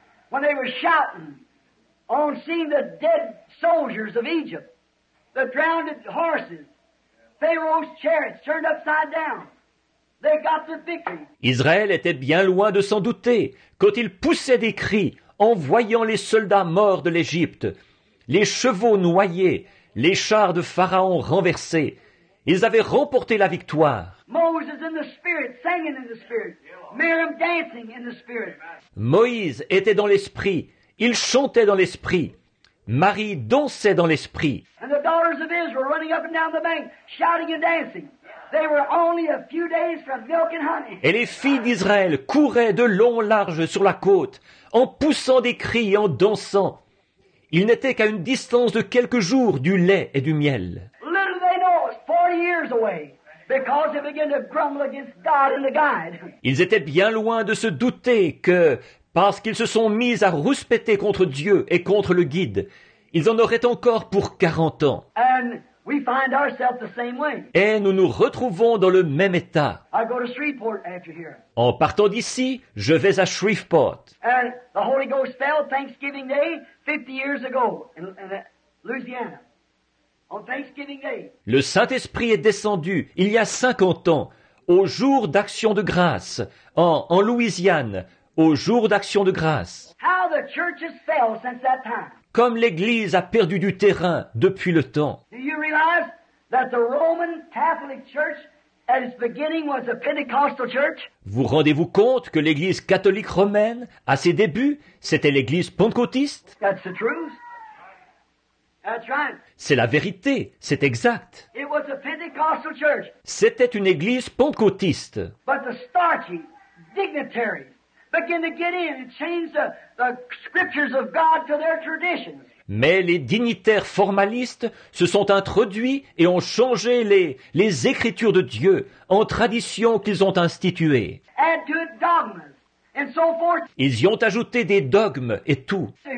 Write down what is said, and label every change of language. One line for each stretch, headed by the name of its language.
English: When they were shouting on seeing the dead soldiers of Egypt, the drowned horses, Pharaoh's chariots turned upside down, they got the victory.
French: Israël était bien loin de s'en douter quand ils poussaient des cris en voyant les soldats morts de l'Égypte, les chevaux noyés, les chars de Pharaon renversés. Ils avaient remporté la victoire.
English: Moses in the spirit, singing in the spirit. Miriam dancing in the spirit.
French: Moïse était dans l'esprit. Il chantait dans l'esprit. Marie dansait dans l'esprit.
English: And the daughters of Israel running up and down the bank, shouting and dancing. They were only a few days from milk and honey.
French: Et les filles d'Israël couraient de long en large sur la côte, en poussant des cris et en dansant. Ils n'étaient qu'à une distance de quelques jours du lait et du miel.
English: years away. Because they began to grumble against God and the guide.
French: Ils étaient bien loin de se douter que, parce qu'ils se sont mis à rouspéter contre Dieu et contre le guide, ils en auraient encore pour 40 ans.
English: And we find ourselves the same way.
French: Et nous nous retrouvons dans le même état.
English: I go to Shreveport after here.
French: En partant d'ici, je vais à Shreveport.
English: And the Holy Ghost fell Thanksgiving Day 50 years ago in Louisiana. On Thanksgiving Day.
French: Le Saint-Esprit est descendu il y a 50 ans, au jour d'Action de Grâce, en Louisiane, au jour d'Action de Grâce.
English: How the church has failed since that time.
French: Comme l'Église a perdu du terrain depuis le temps.
English: Do you realize that the Roman Catholic Church at its beginning was a Pentecostal church?
French: Vous rendez-vous compte que l'Église catholique romaine, à ses débuts, c'était l'Église pentecôtiste?
English: That's the truth. That's right.
French: C'est la vérité, c'est exact.
English: It was a Pentecostal church.
French: C'était une église pentecôtiste.
English: But the starchy dignitaries began to get in and change the scriptures of God to their traditions.
French: Mais les dignitaires formalistes se sont introduits et ont changé les écritures de Dieu en traditions qu'ils ont instituées.
English: Add to it dogmas. And so forth.
French: Ils y ont ajouté des dogmes et tout.